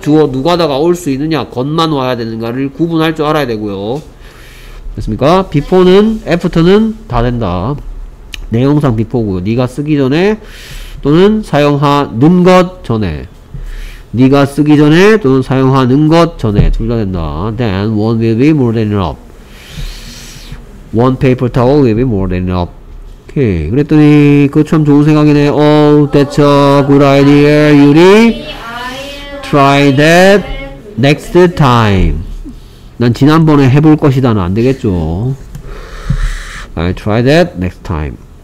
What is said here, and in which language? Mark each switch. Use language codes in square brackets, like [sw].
[ko] 주어 누가다가 올 수 있느냐 것만 와야 되는가를 구분할 줄 알아야 되고요. 됐습니까? before는 after는 다 된다. 내용상 before고요. 네가 쓰기 전에 또는 사용하는 것 전에 네가 쓰기 전에 또는 사용하는 것 전에 둘 다 된다. [en] Then one will be more than enough. One paper towel will be more than enough. [ko] 오케이. 그랬더니 그 참 좋은 생각이네. [en] Oh, that's a good idea, Yuri. Try that next time. [ko] 난 지난번에 해볼 것이다는 안 되겠죠. [en] I'll try that next time.